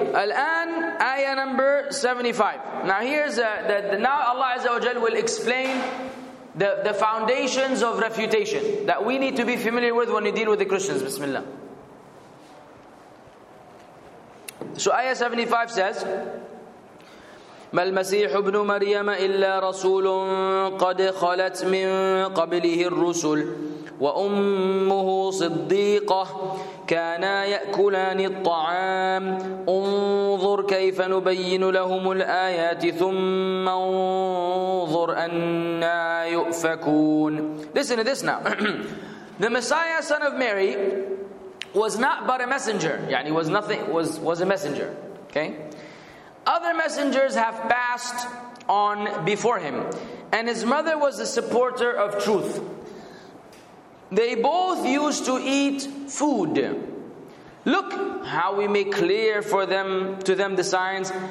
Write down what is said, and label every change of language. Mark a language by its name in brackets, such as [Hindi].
[Arabic] الآن آية [English] number 75. Now, here's now Allah Azza wa Jal will explain the foundations of refutation that we need to be familiar with when you deal with the Christians. [Arabic] Bismillah. So Ayah 75 says, ما المسيح ابن مريم إلا رسول قد خلت من قبله الرسل وأمه صديقة كانا يأكلان الطعام انظر كيف نبين لهم الآيات ثم انظر أنا يؤفكون [English] Listen to this now. The Messiah, son of Mary, was not but a messenger. Yani was nothing, was a messenger. Okay? Other messengers have passed on before him, and his mother was a supporter of truth. They both used to eat food. Look how we make clear for them to them the signs.